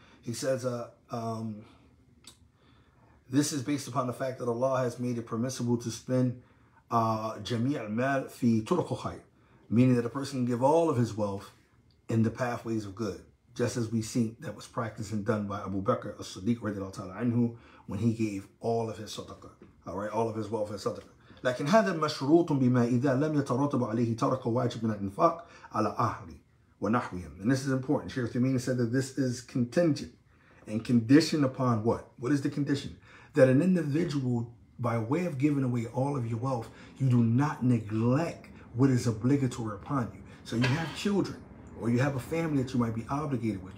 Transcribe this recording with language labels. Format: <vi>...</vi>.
<en>He says, this is based upon the fact that Allah has made it permissible to spend</en> <ar>jami' al-mal fi turuq al-khayr,</ar> <en>meaning that a person can give all of his wealth in the pathways of good, just as we see that was practiced and done by Abu Bakr as-Siddiq radiallahu ta'ala anhu when he gave all of his sadaqah, all right, all of his wealth as sadaqah.</en> <ar>لكن هذا مشروط بما إذا لم يترتب عليه ترك واجب من الإنفاق على أهله ونحوهم.</ar> <en>And this is important. Shaykh Thumaini said that this is contingent and conditioned upon what? What is the condition? That an individual, by way of giving away all of your wealth, you do not neglect what is obligatory upon you. So you have children, or you have a family that you might be obligated with.</en>